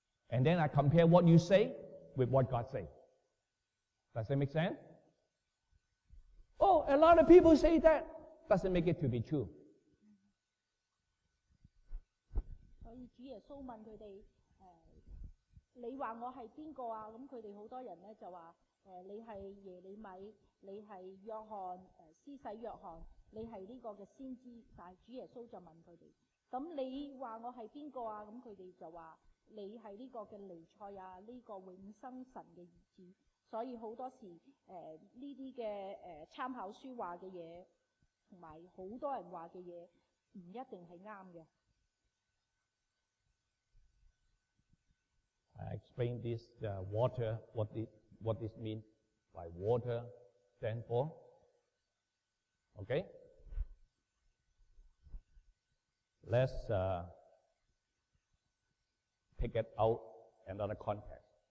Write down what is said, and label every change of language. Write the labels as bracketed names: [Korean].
[English] And then I compare what you say with what God say. Does that make sense? Oh, a lot of people say that. Doesn't make it to be true. So Jesus asked them, you say, who are you? And many people said, you are Jeremiah. [Chinese] You是约翰，施洗约翰，你是这个的先知，但是主耶稣就问他们，那你说我是谁啊？那他们就说，你是这个的尼赛亚，这个永生神的儿子。所以很多时候，这些的参考书说的东西，还有很多人说的东西，不一定是对的。 [English] I explain this water, what this means by water. Stand for, okay? Let's take it out another context.